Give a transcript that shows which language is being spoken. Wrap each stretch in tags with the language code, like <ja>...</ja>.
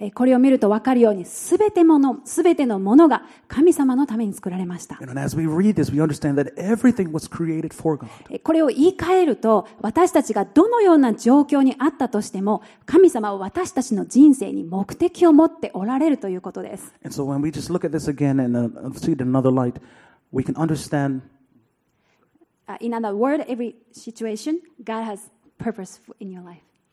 <ja>これを見ると分かるように、すべてのものが神様のために作られました。</ja> <en>And as we read this, we understand that everything was created for God.</en> <ja>これを言い換えると、私たちがどのような状況にあったとしても、神様は私たちの人生に目的を持っておられるということです。</ja> <en>And so when we just look at this again and see it in another light,We can understand. In other words, every situation, God has purpose in your life.</en>